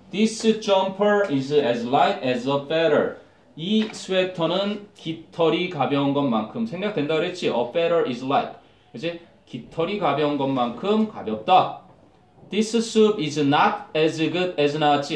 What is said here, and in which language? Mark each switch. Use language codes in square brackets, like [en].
[en] This jumper is as light as a feather. [ko] 이 스웨터는 깃털이 가벼운 것만큼 생략된다 그랬지? [en] A feather is light. [ko] 그지? 깃털이 가벼운 것만큼 가볍다. [en] This soup is not as good as [ko] 나왔지?